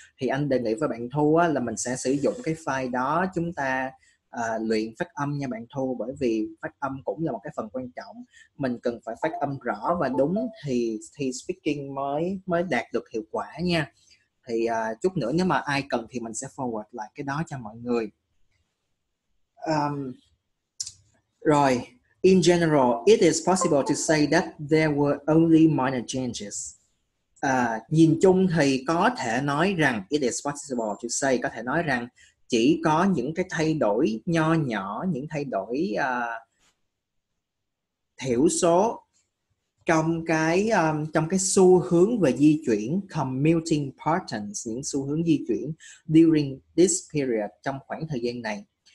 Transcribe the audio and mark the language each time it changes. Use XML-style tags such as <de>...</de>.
<vi>Thì anh đề nghị với bạn Thu á, là mình sẽ sử dụng cái file đó chúng ta luyện phát âm nha bạn Thu, bởi vì phát âm cũng là một cái phần quan trọng, mình cần phải phát âm rõ và đúng thì speaking mới đạt được hiệu quả nha. Thì chút nữa nếu mà ai cần thì mình sẽ forward lại cái đó cho mọi người.</vi> <en>Rồi, in general, it is possible to say that there were only minor changes.</en> <vi>Nhìn chung thì có thể nói rằng,</vi> <en>it is possible to say,</en> <vi>có thể nói rằng chỉ có những cái thay đổi nho nhỏ, những thay đổi thiểu số trong cái xu hướng về di chuyển,</vi> <en>commuting patterns,</en> <vi>những xu hướng di chuyển</vi> <en>during this period,</en> <vi>trong khoảng thời gian này.</vi>